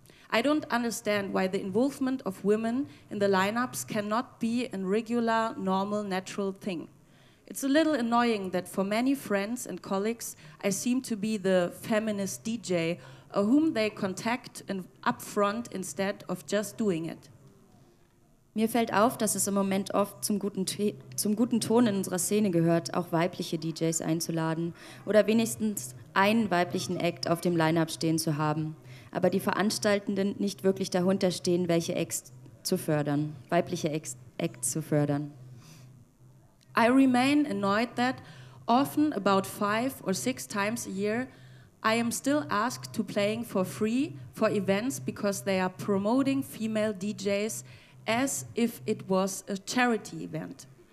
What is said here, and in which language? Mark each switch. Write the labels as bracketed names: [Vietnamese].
[English] I don't understand why the involvement of women in the lineups cannot be a regular, normal, natural thing. It's a little annoying that for many friends and colleagues, I seem to be the feminist DJ, whom they contact upfront instead of just doing it. [German] Mir fällt auf, dass es im Moment oft zum guten Ton in unserer Szene gehört, auch weibliche DJs einzuladen oder wenigstens einen weiblichen Act auf dem Lineup stehen zu haben. Aber die Veranstaltenden nicht wirklich dahinter stehen, welche Acts zu fördern, weibliche Acts zu fördern. [English] I remain annoyed that often about 5 or 6 times a year I am still asked to playing for free for events because they are promoting female DJs as if it was a charity event.